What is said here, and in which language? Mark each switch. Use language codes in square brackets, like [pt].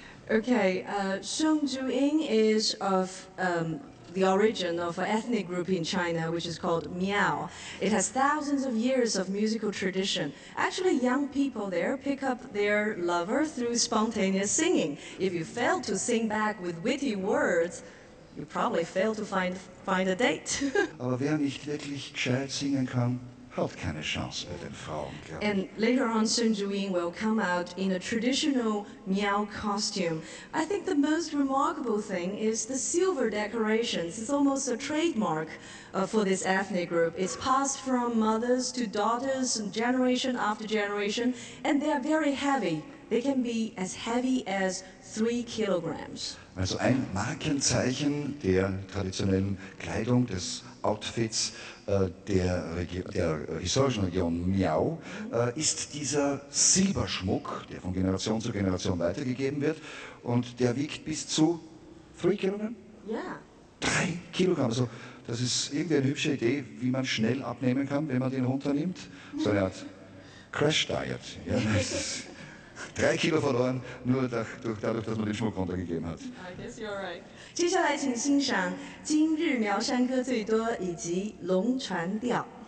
[en] Okay, Song Zhuying is of the origin of an ethnic group in China, which is called Miao. It has thousands of years of musical tradition. Actually, young people there pick up their lover through spontaneous singing. If you fail to sing back with witty words, you probably fail to find a date. [de] Aber wer nicht wirklich gescheit singen kann, hat keine Chance mit den Frauen, glaube ich. [en] And later on, Song Zhuying will come out in a traditional Miao costume. I think the most remarkable thing is the silver decorations. It's almost a trademark for this ethnic group. It's passed from mothers to daughters generation after generation, and they are very heavy. They can be as heavy as 3 kilograms. [de] Also ein Markenzeichen der traditionellen Kleidung des Outfits der historischen Region Miao ist dieser Silberschmuck, der von Generation zu Generation weitergegeben wird und der wiegt bis zu 3 Kilogramm? Ja. 3 Kilogramm, also das ist irgendwie eine hübsche Idee, wie man schnell abnehmen kann, wenn man den runternimmt. So eine Art Crash-Diet. Ja, 3 Kilo verloren, nur dadurch, dass man den Schmuck runtergegeben hat. [en] I guess you're right. [zh] 接下来请欣赏今日苗山歌最多以及龙船调。